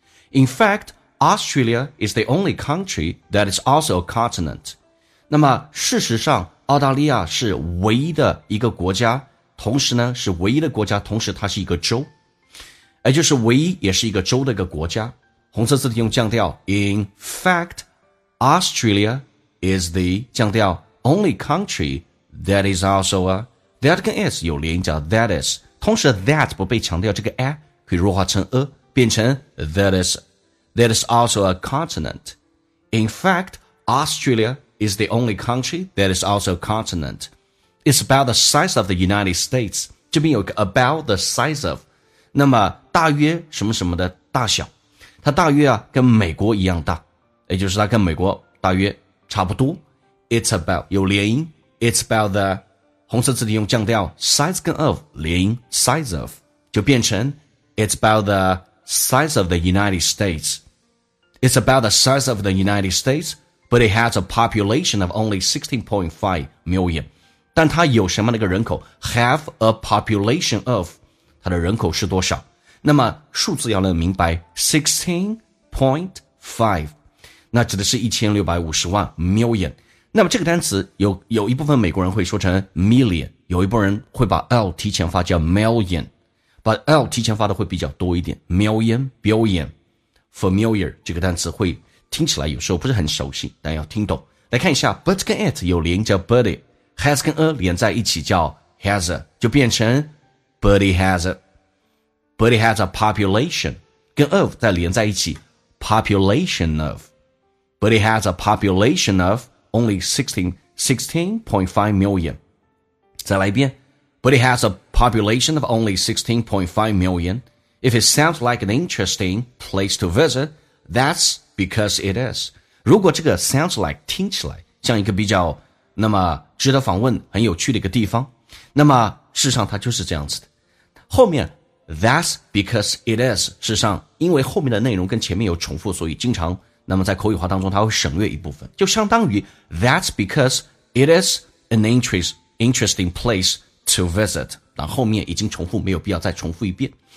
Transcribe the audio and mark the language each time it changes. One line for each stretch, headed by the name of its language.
English: In fact, Australia is the only country that is also a continent.
Chinese: 那么事实上澳大利亚是唯一的一个国家，同时呢是唯一的国家，同时它是一个州，也就是唯一也是一个州的一个国家。红色字体用降调，
English: In fact, Australia is the
Chinese: 降调
English: only country that is also a,
Chinese: that 跟 is 有连音叫 that is, 同时 that 不被强调，这个 a 会弱化成 a, 变成
English: that is also a continent. In fact, Australia is the only country that is also a continentIt's about the size of the United States.
Chinese: 这边有个 about the size of. 那么大约什么什么的大小。它大约啊跟美国一样大。也就是它跟美国大约差不多。
English: It's about, 有连音。 It's about the,
Chinese: 红色字体用降调
English: ,size 跟 of, 连音 ,size of, 就变成 It's about the size of the United States. It's about the size of the United States, but it has a population of only 16.5 million.
Chinese: 但它有什么那个人口 ,have a population of, 它的人口是多少，那么数字要能明白 ,16.5, 那指的是1650万 ,million。那么这个单词有一部分美国人会说成 million, 有一部分人会把 L 提前发叫 million, 把 L 提前发的会比较多一点 ,million, billion, familiar, 这个单词会听起来有时候不是很熟悉，但要听懂。来看一下
English: ,but 跟 it 有连叫 buddy,Has 跟 a 连在一起叫 has a,
Chinese: 就变成
English: but it has a population, 跟 of
Chinese: 再连在一起
English: population of, but it has a population of only 16.5 million.
Chinese: 再来一遍
English: but it has a population of only 16.5 million. If it sounds like an interesting place to visit, that's because it is.
Chinese: 如果这个 sounds like, 听起来像一个比较那么值得访问很有趣的一个地方，那么事实上它就是这样子的。后面
English: that's because it is,
Chinese: 事实上因为后面的内容跟前面有重复，所以经常那么在口语化当中它会省略一部分，就相当于
English: that's because it is an interesting place to visit,
Chinese: 但后面已经重复，没有必要再重复一遍。